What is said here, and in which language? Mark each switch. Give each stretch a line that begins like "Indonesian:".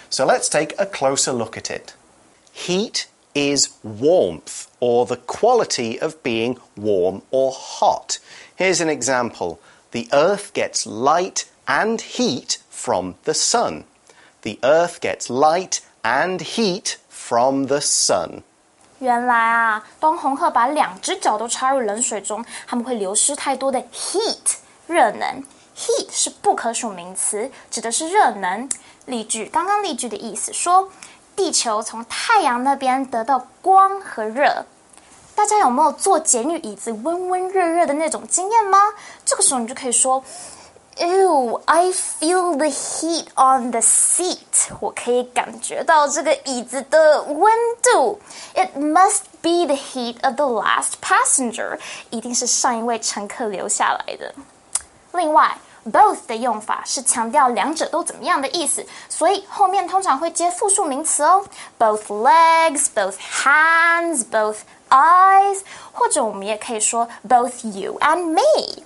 English: So let's take a closer look at it. Heat. Is warmth, or the quality of being warm or hot. Here's an example. The earth gets light and heat from the sun. The earth gets light and heat from the sun.
Chinese: 原来啊，当红鹤把两只脚都插入冷水中，它们会流失太多的 heat, 热能。 Heat 是不可数名词，指的是热能。例句，刚刚例句的意思说地球从太阳那边得到光和热。大家有没有坐节育椅子温温热热的那种经验吗？这个时候你就可以说
English: Ew, I feel the heat on the seat.
Chinese: 我可以感觉到这个椅子的温度。
English: It must be the heat of the last passenger.
Chinese: 一定是上一位乘客留下来的。另外Both 的用法是强调两者都怎么样的意思，所以后面通常会接复数名词哦。
English: Both legs, both hands, both eyes,
Chinese: 或者我们也可以说
English: both you and me.